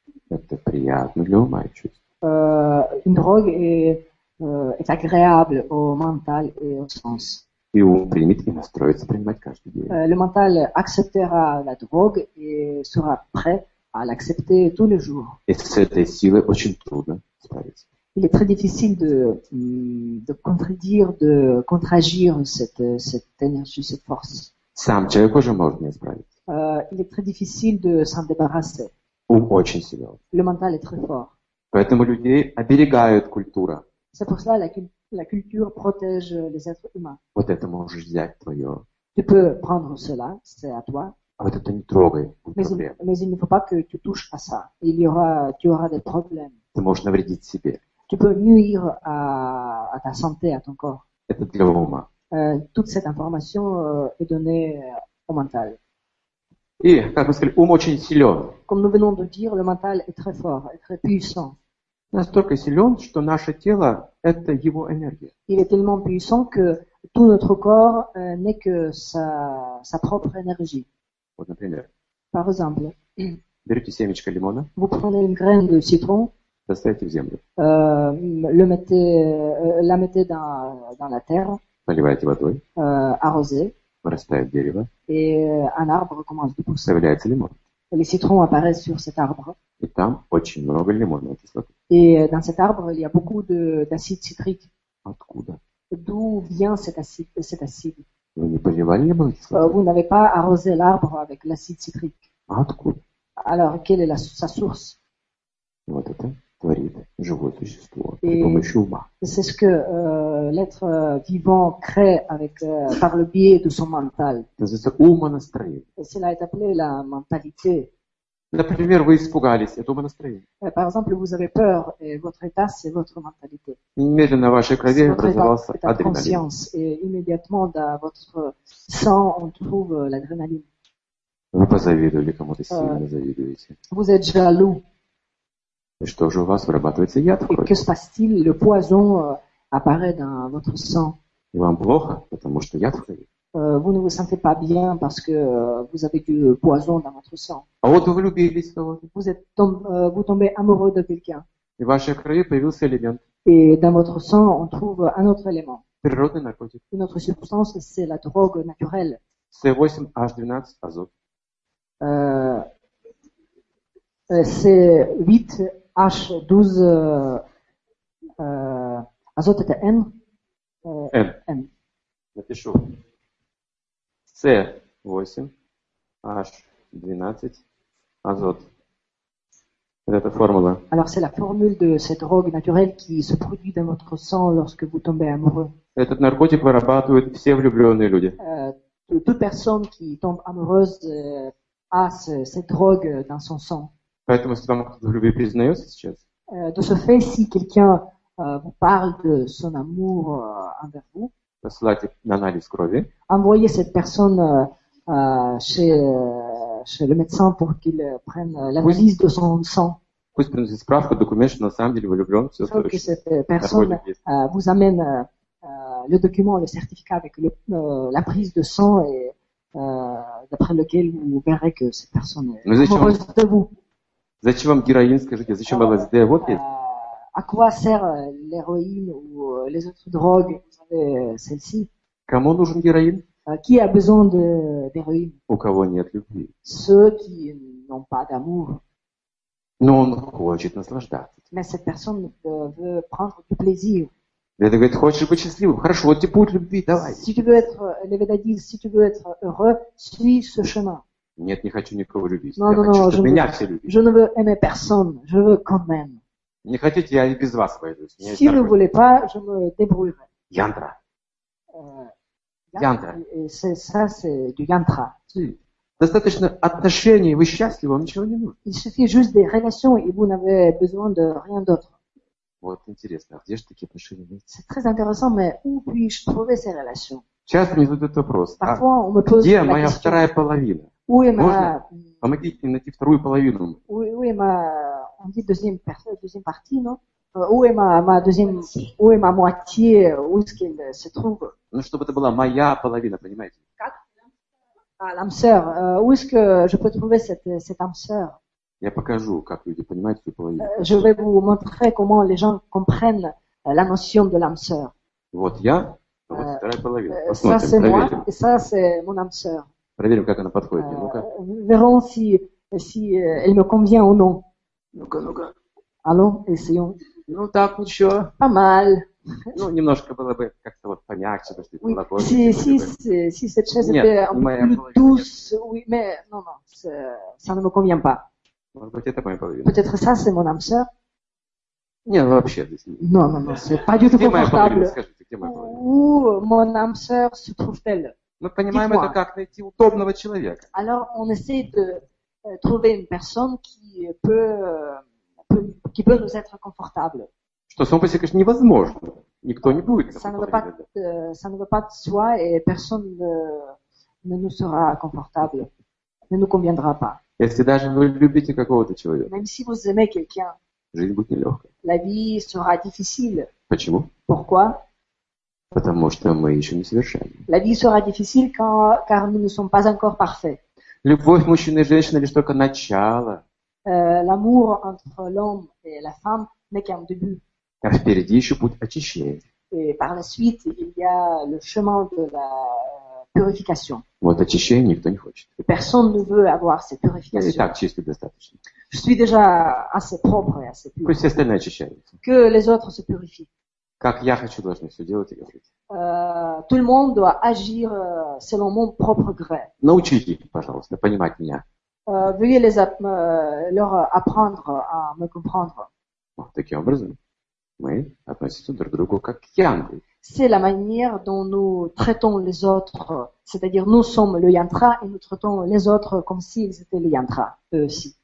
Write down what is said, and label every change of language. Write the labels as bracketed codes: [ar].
[ru] Это приятно для ума и чувств. [fr] Une drogue est agréable au mental et au sens. [ru] И ум примет и настроится принимать каждый день. [fr] Le mental acceptera la drogue et sera prêt à l'accepter tous les jours. [ru] Et с этой силой очень трудно справиться. [fr] Il est très difficile de contredire, de contragir cette énergie, cette force. [ru] Сам человек уже может не справиться. [fr] Il est très difficile de s'en débarrasser. [ru] Ум очень силен. [fr] Le mental est très fort. [ru] Поэтому людей оберегают культура. [fr] C'est pour cela la culture protège les êtres humains. [ru] Вот это можешь взять твое. [fr] Tu peux prendre cela, c'est à toi. [ru] А вот это не трогай. [fr] Mais il ne faut pas que tu touches à ça. Tu auras des problèmes. [ru] Ты можешь навредить себе. [fr] Tu peux nuire à ta santé, à ton corps. [ru] Это для ума. [fr] Toute cette information est donnée au mental. [ru] И, как мы сказали, ум очень силен. [fr] Comme nous venons de dire, le mental est très fort, très puissant. [ru] Настолько силен, что наше тело – это его энергия. [fr] Il est tellement puissant que tout notre corps n'est que sa propre énergie. [ru] Вот, например. [fr] Par exemple. [ru] Берете семечко лимона. [fr] Vous prenez une graine de citron. [ru] Поставите в землю. [fr] La mettez dans la terre. [ru] Поливаете водой. [fr] Arrosez. [ru] Вырастает дерево. [fr] Et un arbre commence de pousser. [ru] Появляется лимон. [fr] Les citrons apparaissent sur cet arbre. [ru] Et там очень много лимонной кислоты. [fr] Et dans cet arbre, il y a beaucoup d'acide citrique. [ru] Откуда? [fr] D'où vient cet acide? [ru] Вы не поливали лимонной кислоты? [fr] Vous n'avez pas arrosé l'arbre avec l'acide citrique. [ru] Откуда? [fr] Alors, quelle est sa source? [ru] Вот это творит живое существо при помощи ума. [fr] C'est ce que l'être vivant crée avec par le biais de son mental. [ru] Называется умонастроение. [fr] Cela est appelé la mentalité. [ru] Например, вы испугались, это умонастроение. [fr] Par exemple, vous avez peur et votre état, c'est votre mentalité. [ru] Немедленно в вашей крови образовался адреналин. [fr] Et immédiatement dans votre sang, on trouve l'adrénaline. [ru] Вы позавидовали кому-то, сильно завидуете. [fr] Vous êtes jaloux. [ru] И что же у вас вырабатывается яд в крови? [fr] Et que se passe-t-il? Le poison apparaît dans votre sang. [ru] И вам плохо, потому что яд в крови. [fr] Vous ne vous sentez pas bien parce que vous avez du poison dans votre sang. [ru] А вот вы влюбились в кого-то. [fr] Vous tombez amoureux de quelqu'un. [ru] И в вашей крови появился элемент. [fr] Et dans votre sang, on trouve un autre élément. [ru] Природный наркотик. [fr] Une autre substance, c'est la drogue naturelle. [ru] C8H12 азот. [fr] c'est 8H12, azote N. [ru] N. N. Напишу. C8H12 азот. Вот эта формула. [fr] Alors c'est la formule de cette drogue naturelle qui se produit dans votre sang lorsque vous tombez amoureux. [ru] Этот наркотик вырабатывают все влюбленные люди. [fr] Toute personne qui tombe amoureuse a cette drogue dans son sang. [ru] Поэтому если вам кто-то в любви признается сейчас. [fr] De ce fait, si quelqu'un vous parle de son amour envers vous. [ru] Послать анализ крови. [fr] Envoyez cette personne chez le médecin pour qu'il prenne l'analyse de son sang. [ru] Пусть принесет справку, документ, что на самом деле вы влюблен, все хорошо. [fr] Que cette personne vous amène le document, le certificat avec la prise de sang et d'après lequel vous verrez que cette personne est amoureuse de vous. [ru] Зачем вам героин, скажите? Зачем вам ЛСД? Вот есть. [fr] À quoi sert l'héroïne ou les autres drogues? Vous avez celle-ci. [ru] Кому нужен героин? [fr] Qui a besoin d'héroïne? [ru] У кого нет любви? [fr] Ceux qui n'ont pas d'amour. [ru] Но он хочет наслаждаться. [fr] Mais cette personne veut prendre du plaisir. [ru] Это говорит, хочешь быть счастливым? Хорошо, вот тебе путь любви, давай. [fr] Si tu veux être, Левида дит, si tu veux être heureux, suis ce chemin. [ru] Нет, не хочу никого любить. [fr] Non, [ru] я non, хочу, чтобы меня все любили. [fr] Je ne veux aimer personne, je veux quand même. [ru] Не хотите, я и без вас пойду. [fr] Si vous voulez pas, je me débrouillerai. [ru] Yantra. [fr] Yantra. C'est du yantra. [ru] Достаточно отношений, вы счастливы, вам ничего не нужно. [fr] Il suffit juste des relations et vous n'avez besoin de rien d'autre. [ru] Вот интересно, а где же такие отношения? [fr] C'est très intéressant, mais où puis-je trouver ces relations? [ru] Часто мне задают вопрос. [fr] Parfois, [ru] а где моя question. Вторая половина? [fr] Où est ma... [ru] Можно? Помогите мне найти вторую половину. [fr] Où est ma... On dit deuxième partie, non? Où est ma deuxième... Où est ma moitié? Où est-ce qu'elle se trouve? [ru] Ну, чтобы это была моя половина, понимаете? Как? А, [fr] l'âme sœur. Où est-ce que je peux trouver cette âme sœur? [ru] Я покажу, как люди понимают свою половину. [fr] Je vais vous montrer comment les gens comprennent la notion de l'âme sœur. [ru] Вот я, а вот вторая половина. Посмотрим, [fr] ça, c'est [ru] проверим. [fr] Moi, et ça, c'est mon âme sœur. [ru] Проверим, как она подходит. Ну-ка. [fr] Verrons si elle me convient ou non. [ru] Ну-ка. [fr] Allons, essayons. [ru] Ну так ничего. [fr] Pas mal. [ru] Ну немножко было бы как-то вот помягче, потому что это молоко. [fr] Oui, si cette chaise était un peu plus douce, oui, mais non, ça ne me convient pas. [ru] Может быть, это моя половина. [fr] Peut-être ça, c'est mon âme sœur. [ru] Нет, вообще здесь нет. [fr] Non, c'est pas du tout confortable. [ru] Скажите, где моя половина? [fr] Où mon âme sœur se trouve-t-elle? [ru] Мы понимаем это как найти удобного человека. [fr] Alors on essaie de trouver une personne qui peut nous être confortable. [ru] Что само по себе, конечно, невозможно. Никто не будет. [fr] Ça ne va pas de soi et personne ne nous sera confortable, ne nous conviendra pas. [ru] Если даже вы любите какого-то человека. [fr] Même si vous aimez quelqu'un. [ru] Жизнь будет нелегкой. [fr] La vie sera difficile. [ru] Почему? [fr] Pourquoi? [ru] Потому что мы еще не совершенны. [fr] La vie sera difficile car nous ne sommes pas encore parfaits. [ru] Любовь мужчины и женщины лишь только начало. [fr] L'amour entre l'homme et la femme n'est qu'un début. [ru] А впереди еще путь очищения. [fr] Et par la suite, il y a le chemin de la purification. [ru] Вот очищение никто не хочет. [fr] Personne ne veut avoir cette purification. [ru] Я и так чистый достаточно. [fr] Je suis déjà assez propre et assez pur. [ru] Пусть все остальные очищаются. [fr] Que les autres se purifient. [ru] Как я хочу должны все делать и говорить. [fr] Tout le monde doit agir selon mon propre gré. [ru] Научите, пожалуйста, понимать меня. [fr] Veuillez leur apprendre à me comprendre. [ru] Вот, таким образом мы относимся друг к другу как к янтре. [fr] C'est la manière dont nous traitons les autres, c'est-à-dire nous sommes le yantra et nous traitons les autres comme s'ils étaient le yantra, eux aussi.